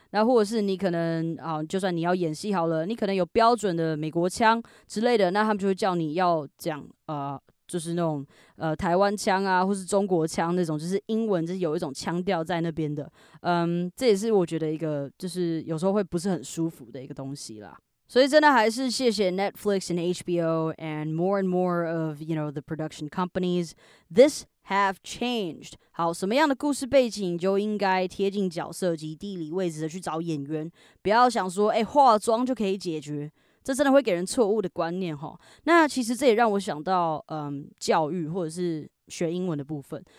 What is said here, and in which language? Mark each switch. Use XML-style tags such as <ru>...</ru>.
<zh>那或者是你可能就算你要演戏好了，你可能有标准的美国腔之类的，那他们就会叫你要讲就是那种台湾腔啊，或是中国腔那种，就是英文就是有一种腔调在那边的。这也是我觉得一个就是有时候会不是很舒服的一个东西啦。所以真的还是谢谢</zh> <en>Netflix and HBO and more of, you know, the production companies. This have changed.</en> <zh>好，什么样的故事背景就应该贴近角色及地理位置的去找演员，不要想说化妆就可以解决。这真的会给人错误的观念齁。那其实这也让我想到教育或者是学英文的部分。</zh>